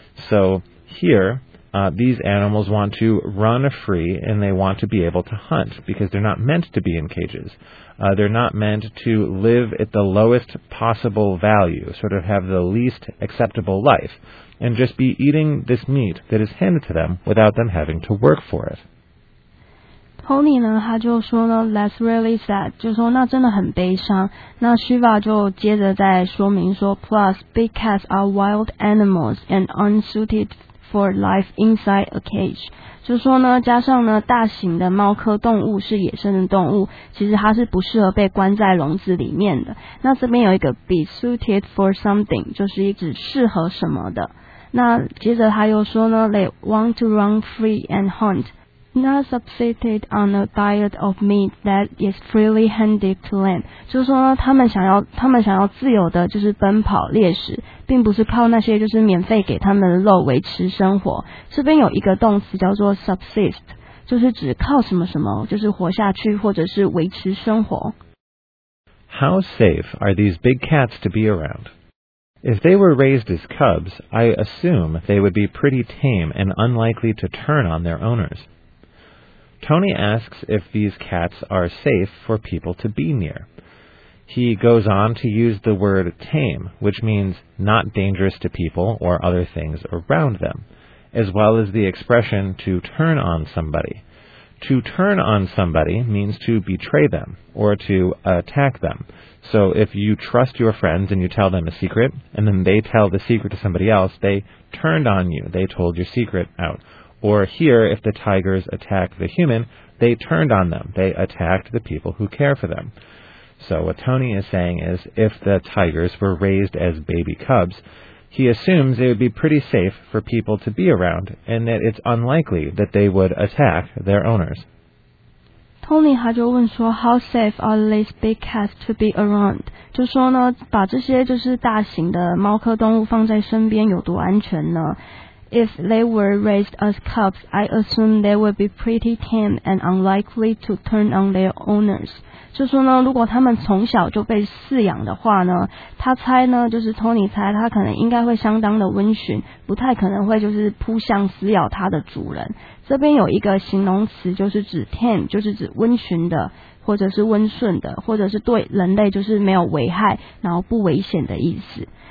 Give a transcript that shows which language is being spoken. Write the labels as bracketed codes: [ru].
[en] So here, these animals want to run free and they want to be able to hunt because they're not meant to be in cages. They're not meant to live at the lowest possible value, sort of have the least acceptable life, and just be eating this meat that is handed to them without them having to work for it. [zh] Tony 呢，他就说呢 ， [en] That's really sad， [zh] 就说那真的很悲伤。那 Shiva 就接着再说明说 ， [en] Plus big cats are wild animals and unsuited for life inside a cage， [zh] 就说呢，加上呢，大型的猫科动物是野生的动物，其实它是不适合被关在笼子里面的。那这边有一个 be suited for something， 就是指适合什么的。那接着他又说呢 ， [en] They want to run free and hunt。 Not subsisted on a diet of meat that is freely handed to them. [zh] 就是说呢，他们想要自由的，就是奔跑猎食，并不是靠那些就是免费给他们的肉维持生活。这边有一个动词叫做 subsist， 就是指靠什么什么，就是活下去或者是维持生活。 [en] How safe are these big cats to be around? If they were raised as cubs, I assume they would be pretty tame and unlikely to turn on their owners. Tony asks if these cats are safe for people to be near. He goes on to use the word tame, which means not dangerous to people or other things around them, as well as the expression to turn on somebody. To turn on somebody means to betray them or to attack them. So if you trust your friends and you tell them a secret, and then they tell the secret to somebody else, they turned on you, they told your secret out. Or here, if the tigers attack the human, they turned on them. They attacked the people who care for them. So what Tony is saying is, if the tigers were raised as baby cubs, he assumes it would be pretty safe for people to be around, and that it's unlikely that they would attack their owners. Tony [zh] 他就问说 [en] ,How safe are these big cats to be around? [zh] 就说呢，把这些就是大型的猫科动物放在身边有多安全呢？ [en] If they were raised as cubs, I assume they would be pretty tame and unlikely to turn on their owners. [zh] 就说呢，如果他们从小就被饲养的话呢，他猜呢，就是 Tony 猜他可能应该会相当的温驯，不太可能会就是扑向撕咬他的主人。这边有一个形容词就是指 tame， 就是指温驯的，或者是温顺的，或者是对人类就是没有危害，然后不危险的意思。